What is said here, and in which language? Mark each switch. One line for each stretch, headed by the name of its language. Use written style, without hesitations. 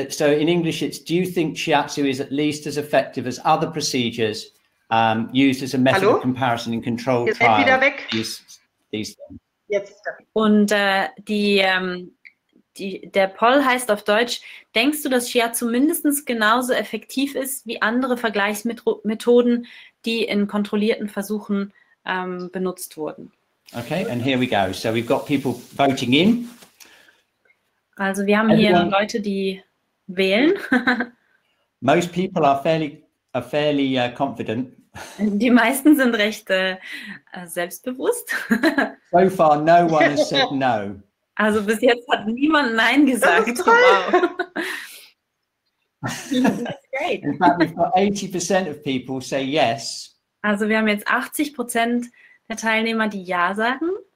English: So in English, it's, do you think shiatsu is at least as effective as other procedures used as a method of comparison in controlled trials?
German: Jetzt wieder weg.
English: These things.
German: Und der Poll heißt auf Deutsch, denkst du, dass Shiatsu mindestens genauso effektiv ist wie andere Vergleichsmethoden, die in kontrollierten Versuchen benutzt wurden?
English: Okay, and here we go. So we've got people voting in.
German: Also wir haben hier Leute, die wählen.
English: Most people are fairly confident.
German: Die meisten sind recht selbstbewusst.
English: So far no one has said no.
German: Also bis jetzt hat niemand Nein gesagt.
English: Wow. In fact, we've got 80% of people say yes.
German: Also wir haben jetzt 80% der Teilnehmer, die Ja sagen.